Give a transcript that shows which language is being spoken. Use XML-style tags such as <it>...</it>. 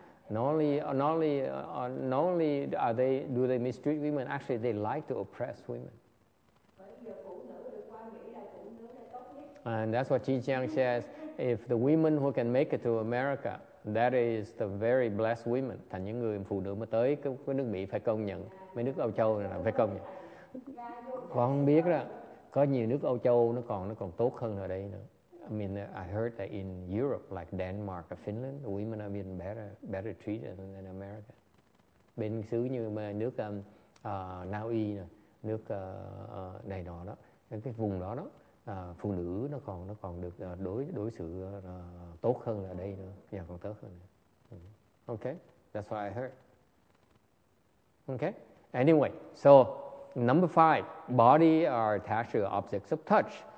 <en>Not only do they mistreat women, actually they like to oppress women. And that's what Chi Chiang says, if the women who can make it to America, that is the very blessed women.</en> <vi>Thành những người phụ nữ mà tới cái nước Mỹ phải công nhận, mấy nước Âu Châu này là phải công nhận. Con biết đó, có nhiều nước Âu Châu nó còn tốt hơn ở đây nữa.</vi> <en>I mean, I heard that in Europe, like Denmark or Finland, women are being better treated than America.</en> <vi>Bên xứ như nước Na Uy, nước này nọ đó, cái vùng đó đó, phụ nữ nó còn được đối xử tốt hơn ở đây nữa, giờ còn tốt hơn.</vi> <en>Okay, that's what I heard. Okay, anyway, so number five, body are attached to objects of touch.</en>